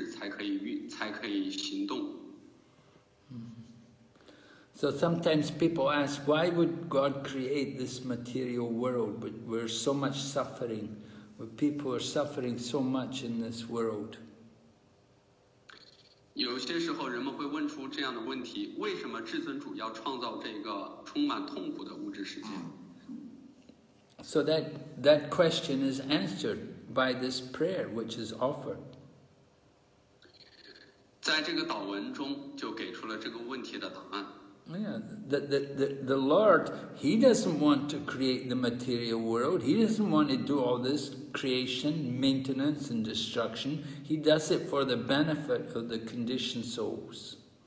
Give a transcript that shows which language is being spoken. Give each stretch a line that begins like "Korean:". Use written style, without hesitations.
Chinese: 只是通过主的一个瞥视，这个物质才可以运，才可以行动。
English: So sometimes people ask, why would God create this material world where so much suffering, where people are suffering so much in this world?
Chinese: 有些时候人们会问出这样的问题，为什么至尊主要创造这个充满痛苦的物质世界？
English: So that question is answered by this prayer which is offered.
Chinese: 在这个祷文中就给出了这个问题的答案。
English: Yeah, the Lord, he doesn't want to create the material world. He doesn't want to do all this creation, maintenance, and destruction. He does it for the benefit of the conditioned souls.